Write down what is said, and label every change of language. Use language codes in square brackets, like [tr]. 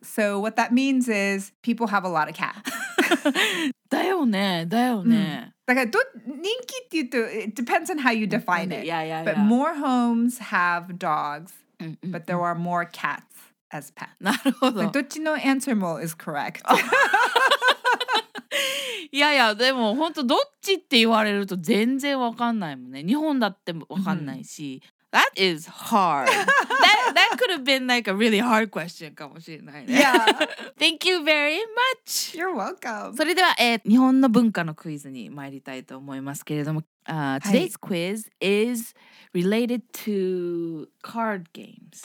[en] So what that means is people have a lot of cats. [ja] だよね、だよね。だから人気って言うと、 [en] it depends on how you define it. Yeah, yeah, yeah. But more homes have dogs, but there are more cats as pets. [ja] なるほど。どっちの answer も [en] is correct. [ja] いやいや、でも本当どっちって言われると全然わかんないもんね。日本だってわかんないし。 [en] That is hard. That could have been like a really hard question [ja] かもしれないね。 [en] Yeah. Thank you very much. You're welcome. [ja] それでは、日本の文化のクイズに参りたいと思いますけれども、 [en] Today's quiz is related to card games.